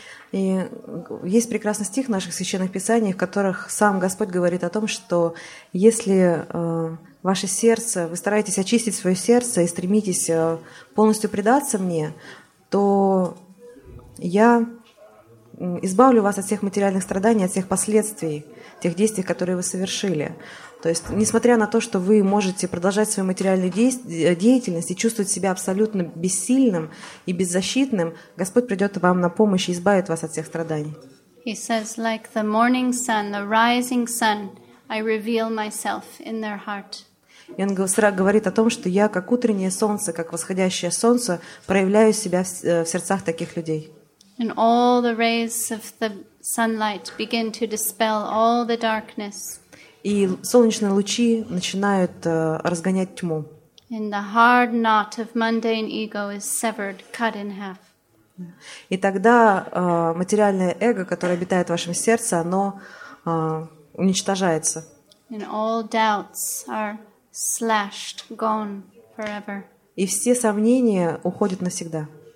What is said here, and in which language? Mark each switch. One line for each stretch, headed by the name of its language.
Russian: И есть прекрасный стих в наших священных писаниях, в которых сам Господь говорит о том, что если ваше сердце, вы стараетесь очистить свое сердце и стремитесь полностью предаться мне, то я избавлю вас от всех материальных страданий, от всех последствий тех действий, которые вы совершили. То есть, несмотря на то, что вы можете продолжать свою материальную деятельность и чувствовать себя абсолютно бессильным и беззащитным, Господь придет вам на помощь и избавит вас от всех страданий.
English: He says, like the morning sun, the rising sun, I reveal myself in their heart.
Russian: И Он говорит о том, что я как утреннее солнце, как восходящее солнце, проявляю себя в сердцах таких людей.
English: And all the rays of the sunlight begin to dispel all the darkness.
Russian: И солнечные лучи начинают разгонять тьму.
English: And the hard knot of mundane ego is severed, cut in half.
Russian: И тогда материальное эго, которое обитает в вашем сердце, оно уничтожается.
English: And all doubts are slashed, gone forever.
Russian: И все сомнения уходят навсегда.